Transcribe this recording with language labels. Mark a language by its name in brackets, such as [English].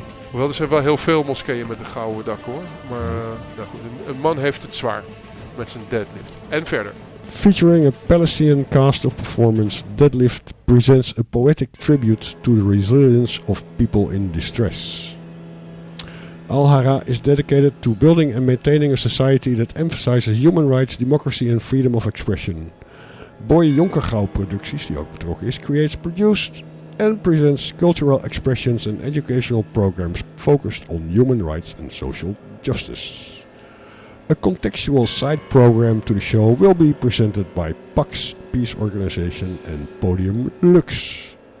[Dutch] Hoewel, er zijn wel heel veel moskeeën met een gouden dak, hoor. Maar een man heeft het zwaar met zijn deadlift. En verder. [English] Featuring a Palestinian cast of performance, Deadlift presents a poetic tribute to the resilience of people in distress. Al Hara is dedicated to building and maintaining a society that emphasizes human rights, democracy and freedom of expression. [Dutch] Boy Jonkergauw Producties, die ook betrokken is, creates, produced... [English] and presents cultural expressions and educational programs focused on human rights and social justice. A contextual side program to the show will be presented by Pax Peace Organization and Podium Lux.